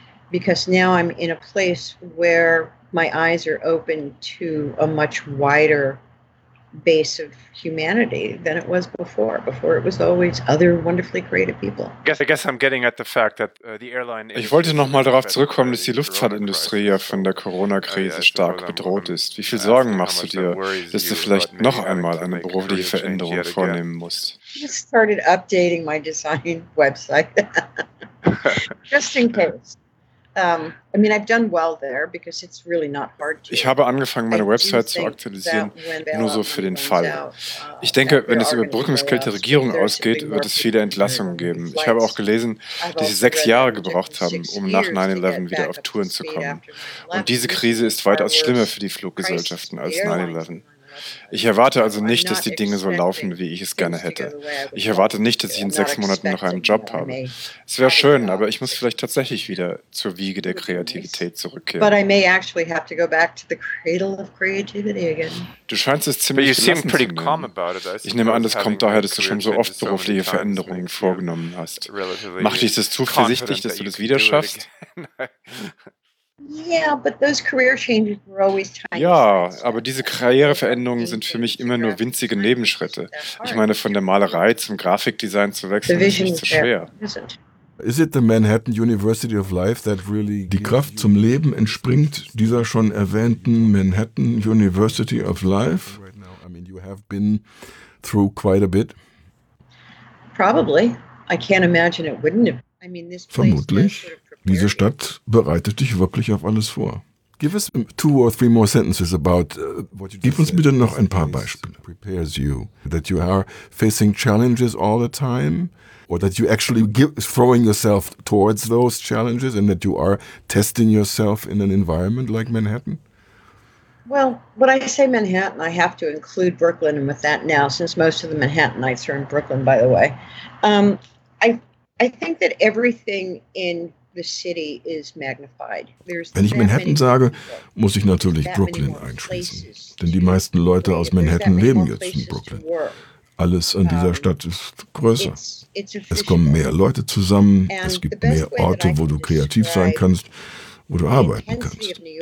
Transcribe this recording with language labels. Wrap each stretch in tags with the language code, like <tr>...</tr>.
<en>Because now I'm in a place where my eyes are open to a much wider base of humanity than it was before. Before it was always other wonderfully creative people. I guess I'm getting at the fact that the airline.</en> <de>Ich wollte noch mal darauf zurückkommen, dass die Luftfahrtindustrie ja von der Corona-Krise stark bedroht ist. Wie viel Sorgen machst du dir, dass du vielleicht noch einmal eine berufliche Veränderung vornehmen musst?</de> <en>I just started updating my design website just in case.</en> <de>Ich habe angefangen, meine Website zu aktualisieren, nur so für den Fall. Ich denke, wenn es über Brückenskälte Regierung ausgeht, wird es viele Entlassungen geben. Ich habe auch gelesen, dass sie 6 Jahre gebraucht haben, um nach 9/11 wieder auf Touren zu kommen. Und diese Krise ist weitaus schlimmer für die Fluggesellschaften als 9/11. Ich erwarte also nicht, dass die Dinge so laufen, wie ich es gerne hätte. Ich erwarte nicht, dass ich in 6 Monaten noch einen Job habe. Es wäre schön, aber ich muss vielleicht tatsächlich wieder zur Wiege der Kreativität zurückkehren.</de> <en>But I may actually have to go back to the cradle of creativity again.</en> <de>Du scheinst es ziemlich gelassen zu nehmen. Ich nehme an, das kommt daher, dass du schon so oft berufliche Veränderungen vorgenommen hast. Macht dich das zuversichtlich, dass du das wieder schaffst?</de> <en>Yeah, but those career changes were always tiny.</en> <de>Ja, aber diese Karriereveränderungen sind für mich immer nur winzige Nebenschritte. Ich meine, von der Malerei zum Grafikdesign zu wechseln, ist nicht so schwer.</de> <en>Is it the Manhattan University of Life that really?</en> <de>Die Kraft zum Leben entspringt dieser schon erwähnten Manhattan University of Life?</de> <en>I mean, you have been through quite a bit. Probably. I can't imagine it wouldn't have. I mean, this place.</en> <de>Vermutlich. Diese Stadt bereitet dich wirklich auf alles vor.</de> <en>Give us 2 or 3 more sentences about.</en> <de>Gib uns bitte noch ein paar Beispiele.</de> <en>Prepares you that you are facing challenges all the time, or that you actually throwing yourself towards those challenges and that you are testing yourself in an environment like Manhattan. Well, when I say Manhattan, I have to include Brooklyn and with that now, since most of the Manhattanites are in Brooklyn, by the way. I think that everything in the city is magnified.</en> <de>Wenn ich Manhattan sage, muss ich natürlich Brooklyn einschließen. Denn die meisten Leute aus Manhattan leben jetzt in Brooklyn. Alles an dieser Stadt ist größer. Es kommen mehr Leute zusammen. Es gibt mehr Orte, wo du kreativ sein kannst, wo du arbeiten kannst.</de>